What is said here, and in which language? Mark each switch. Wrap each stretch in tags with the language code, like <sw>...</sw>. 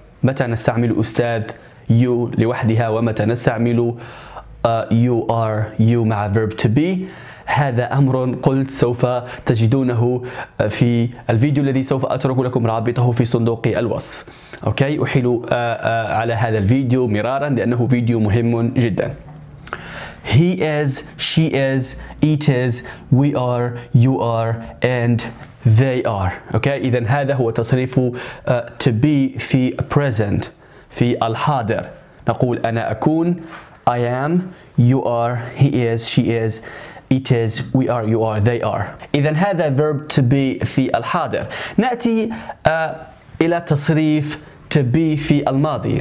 <ar>متى نستعمل أستاذ you لوحدها، ومتى نستعمل you are you مع verb to be؟ هذا أمر قلت سوف تجدونه في الفيديو الذي سوف أترك لكم رابطه في صندوق الوصف. أوكي، أحيل على هذا الفيديو مرارا لأنه فيديو مهم جدا.</ar> <en>He is, she is, it is, we are, you are, and they are.</en> <ar>أوكي، إذن هذا هو تصريف to be في present في الحاضر. نقول أنا أكون،</ar> <en>I am، you are، he is، she is، it is، we are، you are، they are.</en> <ar>إذن هذا verb to be في الحاضر. نأتي إلى تصريف to be في الماضي.</ar>